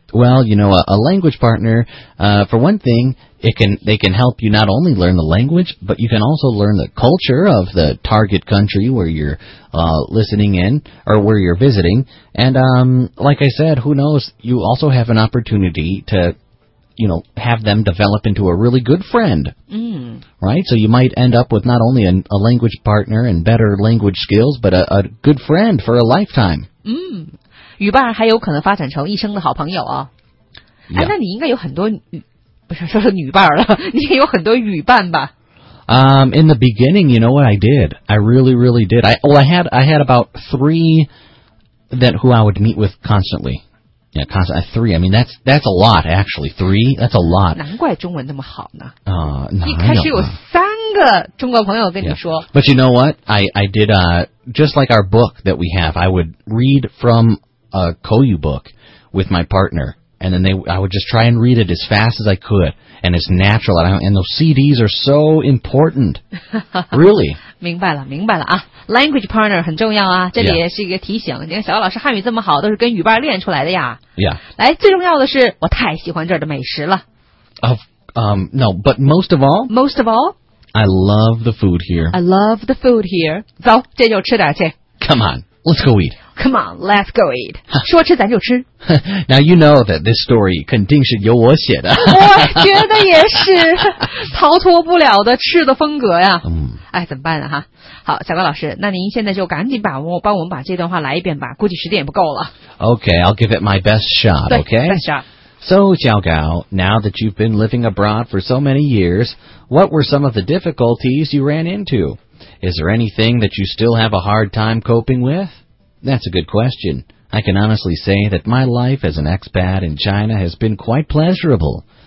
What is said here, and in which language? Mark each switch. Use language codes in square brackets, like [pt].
[en] Well, you know, a language partner, for one thing, they can help you not only learn the language, but you can also learn the culture of the target country where you're listening in or where you're visiting. And like I said, who knows, you also have an opportunity to... you know, have them develop into a really good friend,、 mm. right? So you might end up with not only a language partner and better language skills, but a good friend for a lifetime. [zh] 嗯，语伴还有可能发展成一生的好朋友哦。 [en] Yeah. 哎， [zh] 那你应该有很多，不是说是女伴了，你也有很多语伴吧？ [en] In the beginning, you know what I did? I really, really did. I had about three that who I would meet with constantly. Yeah, constant, three. I mean, that's a lot, actually. Three, that's a lot. [zh] 难怪中文那么好呢。啊，一开始有三个中国朋友跟你说。 [en] Yeah. But you know what? I did, just like our book that we have, I would read from a Koyu book with my partner. And then I would just try and read it as fast as I could. And it's natural. And those CDs are so important. Really. [zh] 明白了，明白了啊。Language partner 很重要啊，这里也是一个提醒。 [en] Yeah. [zh] 你看小姚老师汉语这么好，都是跟语伴练出来的呀。 [en] Yeah. [zh] 来，最重要的是，我太喜欢这儿的美食了。 [en] No, but most of all? Most of all? I love the food here. I love the food here. [zh] 走，这就吃点去。 [en] Come on, let's go eat. Come on, let's go eat. [zh] 说吃咱就吃。 [en] Now you know that this story [zh] 肯定是由我写的。我觉得也是，逃脱不了的吃的风格呀。哎，怎么办啊哈？好，小高老师，那您现在就赶紧帮我们把这段话来一遍吧，估计时间也不够了。 [en] Okay, I'll give it my best shot, okay? Best shot. So, Xiao Gao, now that you've been living abroad for so many years, what were some of the difficulties you ran into? Is there anything that you still have a hard time coping with? That's a good question. I can honestly say that my life as an expat in China has been quite pleasurable.